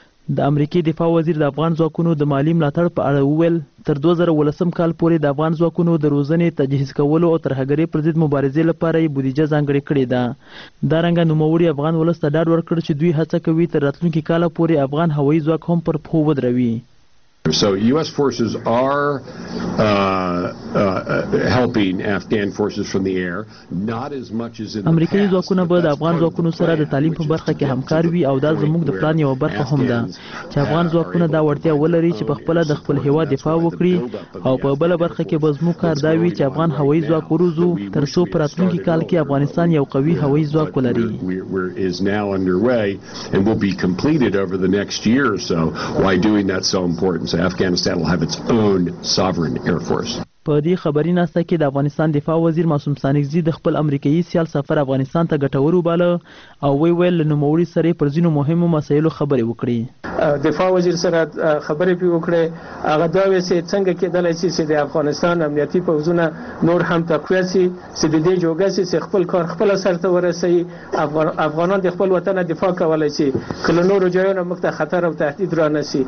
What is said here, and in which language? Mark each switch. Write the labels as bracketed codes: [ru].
[ps] د امریکای دفاع وزیر د افغان ځواکونو د مالی ملاتړ په اړه وویل تر 2018 کال پورې د افغان ځواکونو د روزنې، تجهیز کولو او ترهګرۍ پر ضد مبارزې لپاره یې بودیجه ځانګړې کړې ده. دا رنګه نوموړي افغان ولسته ډاډ ورکړ چې دوی هڅه کوي تر راتلونکي کال پورې افغان هوایي ځواک هم پر پښو ودروي. [en] So US forces are helping Afghan forces from the air, not as much as in the [ps] امریکایي ځواکونه به د افغان ځواکونو سره د تعلیم په برخه کې همکار وي او دا زموږ د پلان یو برخه هم ده چې افغان ځواکونه دا وړتیا ولري چې په خپل د خپل هیواد دفاع وکړي او په بل برخه کې به زموږ کار دا وي چې افغان هوایي ځواک وروزو تر څو په راتلونکي کال کې افغانستان یو قوي هوایي ځواک ولري. [en] is now underway and will be completed over the next year or so. Why doing that so important? So Afghanistan will have its own sovereign air force. [ps] په دې خبري ناسته کې د افغانستان دفاع وزیر معصوم سانګزي د خپل امریکایي سیال سفر افغانستان ته ګټور وباله او وی ویل نوموړي سره پر ځینو مهمو مسایلو خبرې وکړې. دفاع وزیر سره خبرې پی وکړې، هغه دا وی چې څنګه کېدلای شي چې د افغانستان امنیتي پوزونه نور هم تقویه شي، چې د دې جوګه سي خپل کار خپل سرته ورسي، افغانان د خپل وطن دفاع کولای شي، کله نور ځایونه مخته خطر او تهدید را نسي.